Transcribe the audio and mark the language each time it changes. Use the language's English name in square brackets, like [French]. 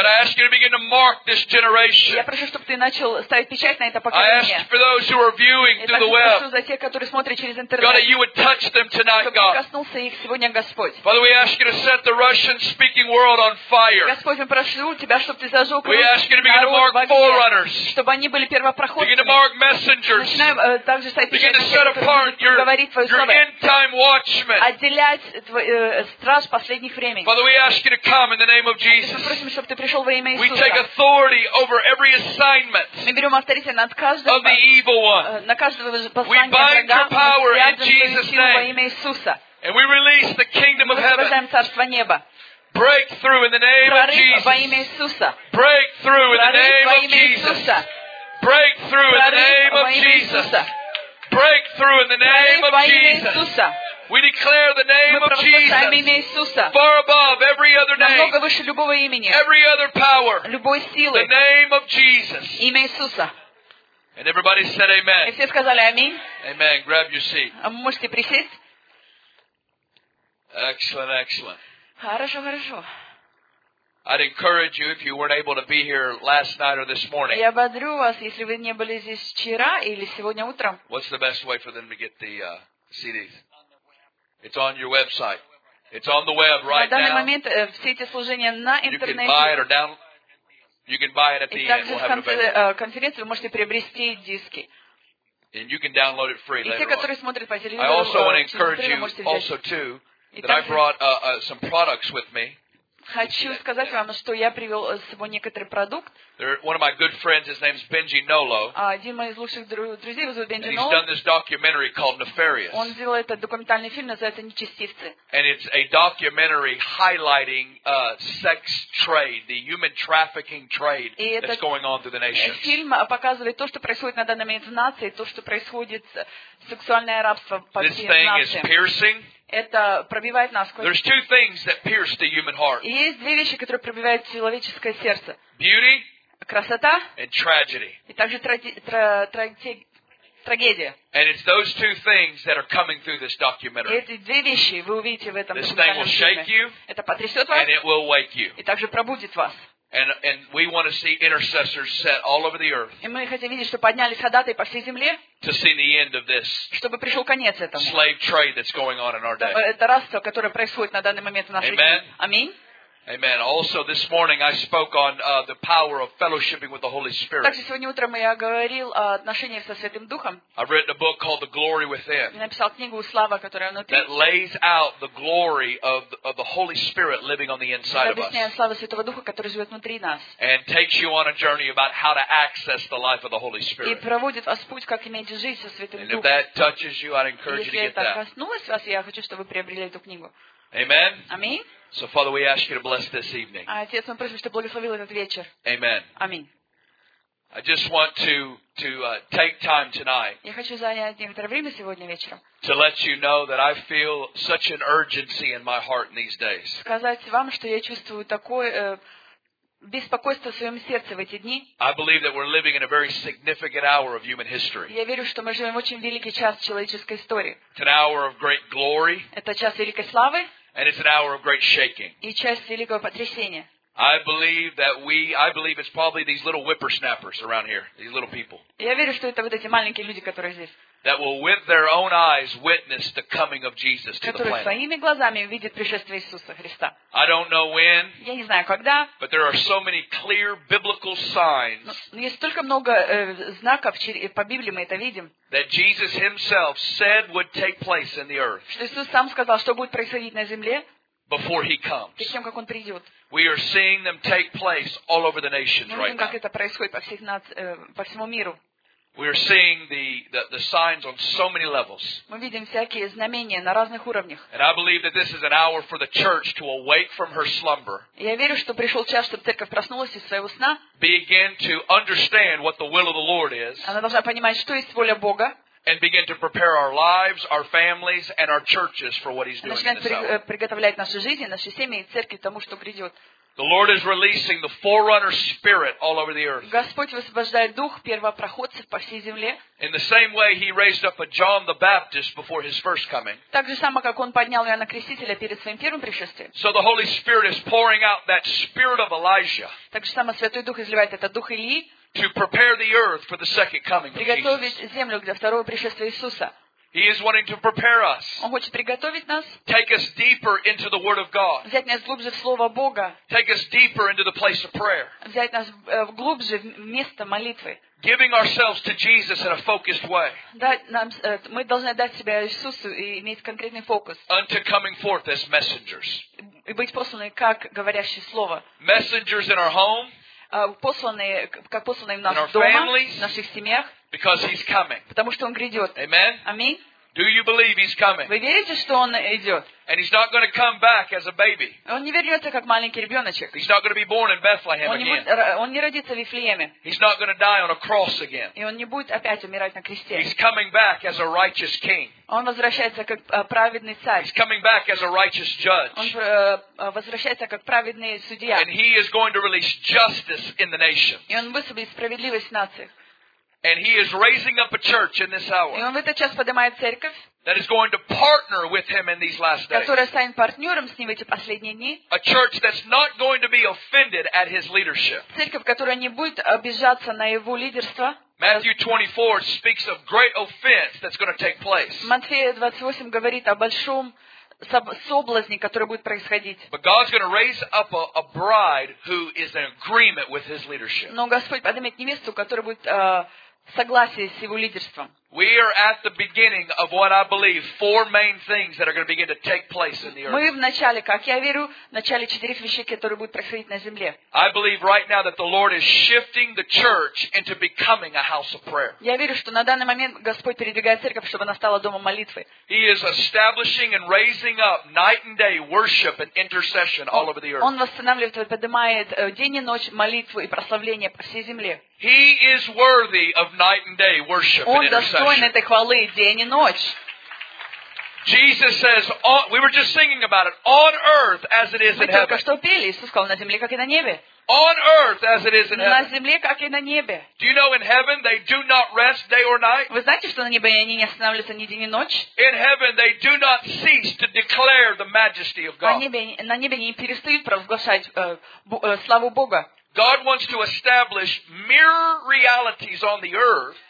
[English] That I ask you to begin to mark this generation. [Russian] Я прошу, чтобы ты начал ставить печать на это поколение. [English] I ask for those who are viewing through the web. [Russian] Я прошу за тех, которые смотрят через интернет. [English] God, you would touch them tonight, God. [Russian] Чтобы коснулся их сегодня Господь. [English] Father, we ask you to set the Russian-speaking world on fire. [Russian] Господь, мы прошу тебя, чтобы ты зажег народ в огне. [English] We ask you to begin to mark forerunners. [Russian] Чтобы они были первопроходцами. [English] Begin to mark messengers. [Russian] Начинаем также ставить печать. [English] Begin to set apart your end-time watchmen. [Russian] Отделять страж последних времен. [English] Father, we ask you to come in the name of Jesus. [Russian] Мы просим, чтобы ты пришел во имя Иисуса. [English] We take authority over every assignment. [Russian] Мы берем авторитет над каждым. [English] Of the evil one. [Russian] На каждого послания. [English] We bind your power in Jesus' name. [Russian] Во имя Иисуса. [English] And we release the kingdom of heaven. [Russian] Мы освобождаем царство неба. [English] Breakthrough in the name of Jesus. [Russian] Прорыв во имя Иисуса. [English] Breakthrough in the name of Jesus. Breakthrough in the name of Jesus. Breakthrough in the name of Jesus. We declare the name of Jesus far above every other name, [Russian] намного выше любого имени, [English] every other power, [Russian] любой силы, [English] the name of Jesus. [Russian] Имя Иисуса. [English] And everybody said amen. [Russian] И все сказали аминь. [English] Amen. Grab your seat. [Russian] Вы можете присесть. [English] Excellent, excellent. [Russian] Хорошо, хорошо. [English] I'd encourage you if you weren't able to be here last night or this morning. [Russian] Я бодрю вас, если вы не были здесь вчера или сегодня утром. [English] What's the best way for them to get the CDs? It's on your website. It's on the web right now. [Russian] На данный момент все эти служения на интернете. [English] You can buy it or download. You can buy it at the end. [Russian] И также в конце конференции вы можете приобрести диски. [English] And you can download it free later. [Russian] И те, которые смотрят по телевизору, [English] I also want to encourage you also too that I brought some products with me. [Russian] Хочу сказать вам, что я привел с собой некоторый продукт. [English] One of my good friends, his name is Benji Nolo. [Russian] Один моих лучших друзей, его зовут Бенджи Ноло. [English] And he's done this documentary called Nefarious. [Russian] Он сделал этот документальный фильм, называется «Нечестивцы». [English] And it's a documentary highlighting sex trade, the human trafficking trade that's going on through the nations. [Russian] Фильм показывает то, что происходит на данный момент в нации, то, что происходит сексуальное рабство по всей нации. [English] This thing is piercing. [Russian] Это пробивает насквозь. [English] There's two things that pierce the human heart. [Russian] Есть две вещи, которые пробивают человеческое сердце. [English] Beauty. [Russian] Красота. [English] And tragedy. [Russian] И также трагедия. [English] And it's those two things that are coming through this documentary. [Russian] Эти две вещи вы увидите в этом документальном фильме. [English] This thing will shake you. [Russian] Это потрясет вас. [English] And it will wake you. [Russian] И также пробудит вас. [English] And we want to see intercessors set all over the earth. [Russian] И мы хотим видеть, что поднялись ходатай по всей земле. [English] To see the end of this. [Russian] Чтобы пришел конец этому. [English] Slave trade that's going on in our day. [Russian] Это рабство, которое происходит на данный момент в нашей жизни. Аминь. [English] Amen. Also, this morning I spoke on the power of fellowshipping with the Holy Spirit. [Russian] Также сегодня утром я говорил о отношениях со Святым Духом. [English] I've written a book called The Glory Within. [Russian] Я написал книгу «Слава, которая внутри». [English] That lays out the glory of the Holy Spirit living on the inside of us. [Russian] Объясняет славу Святого Духа, который живет внутри нас. [English] And takes you on a journey about how to access the life of the Holy Spirit. [Russian] И проводит вас путь, как иметь жизнь со Святым Духом. [English] And if that touches you, I'd encourage you to get that. [Russian] Если это коснулось вас, я хочу, чтобы вы приобрели эту книгу. [English] Amen. [Russian] Аминь. [English] So Father, we ask you to bless this evening. [Russian] Отец, мы просим, чтобы благословил этот вечер. [English] Amen. [Russian] Аминь. [English] I just want to take time tonight. [Russian] Я хочу занять некоторое время сегодня вечером. [English] To let you know that I feel such an urgency in my heart in these days. [Russian] Сказать вам, что я чувствую такое беспокойство в своем сердце в эти дни. [English] I believe that we're living in a very significant hour of human history. [Russian] Я верю, что мы живем в очень великий час человеческой истории. [English] It's an hour of great glory. [Russian] Это час великой славы. [English] And it's an hour of great shaking. [Russian] И час великого потрясения. [English] I believe it's probably these little whippersnappers around here, these little people. [Russian] Я верю, что это вот эти маленькие люди, которые здесь. [English] That will with their own eyes witness the coming of Jesus to the planet. [Russian] Которые своими глазами увидят пришествие Иисуса Христа. [English] I don't know when. [Russian] Я не знаю когда. [English] But there are so many clear biblical signs. [Russian] Есть столько много знаков по Библии, мы это видим. [English] That Jesus Himself said would take place in the earth. [Russian] Что Иисус сам сказал, что будет происходить на земле. [English] Before He comes. [Russian] Перед тем, как Он придет. [English] We are seeing them take place all over the nations right now. [Russian] Мы видим, как это происходит по всему миру. [English] We are seeing the signs on so many levels. [Russian] Мы видим всякие знамения на разных уровнях. [English] And I believe that this is an hour for the church to awake from her slumber. [Russian] Я верю, что пришел час, чтобы церковь проснулась из своего сна. [English] Begin to understand what the will of the Lord is. [Russian] Она должна понимать, что есть воля Бога. [English] And begin to prepare our lives, our families, and our churches for what He's doing in this hour. [Russian] Начинать приготовлять нашу жизнь, наши семьи и церкви к тому, что придет. [English] The Lord is releasing the forerunner spirit all over the earth. [Russian] Господь высвобождает дух первопроходцев по всей земле. [English] In the same way he raised up a John the Baptist before his first coming. [Russian] Так же само, как он поднял Иоанна Крестителя перед своим первым пришествием. [English] So the Holy Spirit is pouring out that spirit of Elijah. [Russian] Так же само Святой Дух изливает этот дух Илии. [English] To prepare the earth for the second coming of Jesus. [Russian] Приготовить землю для второго пришествия Иисуса. [English] He is wanting to prepare us. [Russian] Он хочет приготовить нас. [English] Take us deeper into the Word of God. [Russian] Взять нас глубже в Слово Бога. [English] Take us deeper into the place of prayer. [Russian] Взять нас глубже в место молитвы. [English] Giving ourselves to Jesus in a focused way. [Russian] Мы должны дать себя Иисусу и иметь конкретный фокус. [English] Unto coming forth as messengers. [Russian] И быть посланы как говорящие слово. [English] Messengers in our home. [Russian] Как посланные в наши дома, в наших семьях. [English] Because he's coming. [Russian] Потому что он грядет. [English] Amen. [Russian] Аминь. [English] Do you believe he's coming? [Russian] Вы верите, что он идет? [English] And he's not going to come back as a baby. [Russian] Он не вернется как маленький ребеночек. [English] He's not going to be born in Bethlehem again. [Russian] Он не родится в Вифлееме. [English] He's not going to die on a cross again. [Russian] И он не будет опять умирать на кресте. [English] He's coming back as a righteous king. [Russian] Он возвращается как праведный царь. [English] He's coming back as a righteous judge. [Russian] Он возвращается как праведный судья. [English] And he is going to release justice in the nation. [Russian] И он высвободит справедливость нации. [English] And he is raising up a church in this hour. [Russian] И он в этот час поднимает церковь. [English] That is going to partner with him in these last days. [Russian] Которая станет партнером с ним в эти последние дни. [English] A church that's not going to be offended at his leadership. [Russian] Церковь, которая не будет обижаться на его лидерство. [English] Matthew 24 speaks of great offense that's going to take place. [Russian] Матфея 28 говорит о большом соблазне, который будет происходить. [English] But God's going to raise up a bride who is in agreement with his leadership. [Russian] Но Господь поднимет невесту, которая будет согласие с его лидерством. [English] We are at the beginning of what I believe four main things that are going to begin to take place in the earth. [Russian] Мы в начале, как я верю, в начале четырех вещей, которые будут происходить на земле. [English] I believe right now that the Lord is shifting the church into becoming a house of prayer. [Russian] Я верю, что на данный момент Господь передвигает церковь, чтобы она стала домом молитвы. [English] He is establishing and raising up night and day worship and intercession all over the earth. [Russian] Он восстанавливает и поднимает день и ночь молитву и прославление по всей земле. [English] He is worthy of night and day worship and intercession. [Russian] Достоин этой хвалы день и ночь. [English] Jesus says, we were just singing about it, on earth as it is in heaven. [Russian] Мы только что пели, Иисус сказал, на земле, как и на небе. [English] On earth as it is in heaven. [Russian] На земле, как и на небе. [English] Do you know in heaven they do not rest day or night? [Russian] Вы знаете, что на небе они не останавливаются ни день, ни ночь? [English] In heaven they do not cease to declare the majesty of God. [Russian] На небе они не перестают провозглашать славу Бога. [English] God wants to establish mirror realities on the earth.